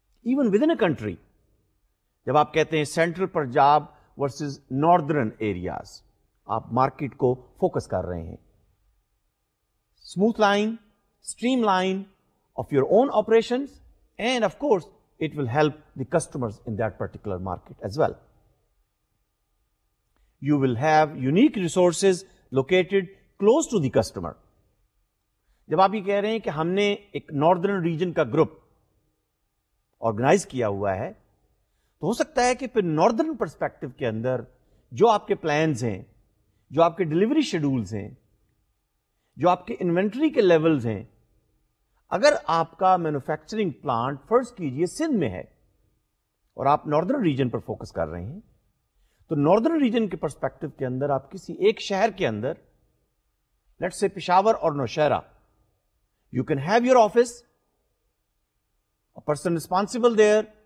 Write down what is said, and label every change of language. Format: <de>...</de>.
<en>even with in a country</en> <ur>جب آپ کہتے ہیں central Punjab versus northern areas, آپ مارکیٹ کو فوکس کر رہے ہیں.</ur> <en>Smooth line, streamline of your own operations, and of course it will help the customers in that particular market as well. You will have unique resources located close to the customer.</en> <ur>جب آپ یہ کہہ رہے ہیں کہ ہم نے ایک ناردرن ریجن کا گروپ آرگنائز کیا ہوا ہے, تو ہو سکتا ہے کہ پھر ناردرن پرسپیکٹو کے اندر جو آپ کے پلانز ہیں, جو آپ کے ڈلیوری شیڈولز ہیں, جو آپ کے انوینٹری کے لیولز ہیں, اگر آپ کا مینوفیکچرنگ پلانٹ فرض کیجئے سندھ میں ہے اور آپ ناردرن ریجن پر فوکس کر رہے ہیں, تو ناردرن ریجن کے پرسپیکٹو کے اندر آپ کسی ایک شہر کے اندر,</ur> <en>let say</en> <ur>پشاور اور Nowshera,</ur> <en>you can have your office, a person responsible there,</en>